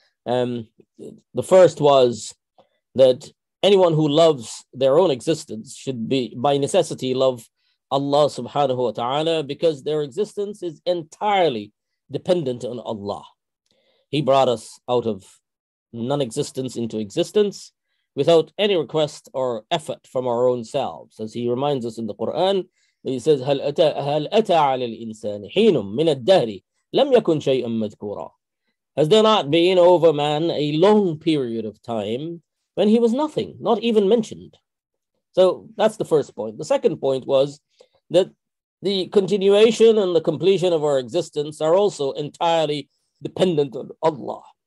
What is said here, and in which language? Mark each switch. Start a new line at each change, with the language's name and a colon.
English: The first was that anyone who loves their own existence should be, by necessity, love Allah subhanahu wa ta'ala, because their existence is entirely dependent on Allah. He brought us out of non-existence into existence without any request or effort from our own selves. As he reminds us in the Quran, he says,
Arabic: هَلْ أَتَى عَلَى الْإِنسَانِ حِينٌ مِّنَ الدَّهْرِ لَمْ يَكُنْ شَيْئًا مَذْكُورًا.
English: Has there not been over man a long period of time when he was nothing, not even mentioned? So that's the first point. The second point was that the continuation and the completion of our existence are also entirely dependent on Allah.